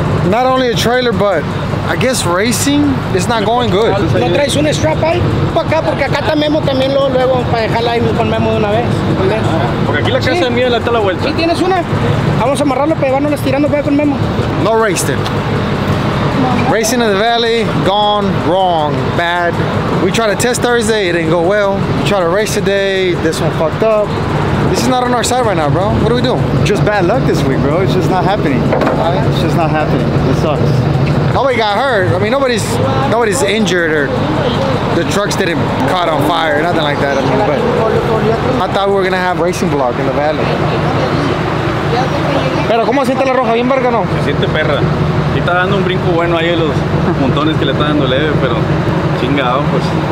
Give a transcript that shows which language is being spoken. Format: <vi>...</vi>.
<en>Not only a trailer, but I guess racing is not going good.</en> <es>¿No traes un strap ahí? Pa' acá, porque acá está Memo también, luego para dejarla ahí con Memo de una vez. Porque aquí la casa es mía, la está a la vuelta. ¿Sí tienes una? Vamos a amarrarlo para llevarnos estirando para con Memo.</es> <en>No racing. Racing in the valley, gone wrong, bad. We tried to test Thursday, it didn't go well. We tried to race today, this one fucked up. This is not on our side right now, bro. What are we doing? Just bad luck this week, bro. It's just not happening. It's just not happening. It sucks. Nobody got hurt. I mean, nobody's injured or the trucks didn't caught on fire or nothing like that. I mean, but I thought we were gonna have racing block in the valley.</en> <es>Pero cómo siente la roja, bien verga, ¿no? Se siente perra. Y está dando un brinco bueno ahí los montones que le está dando leve, pero chingado, pues.</es>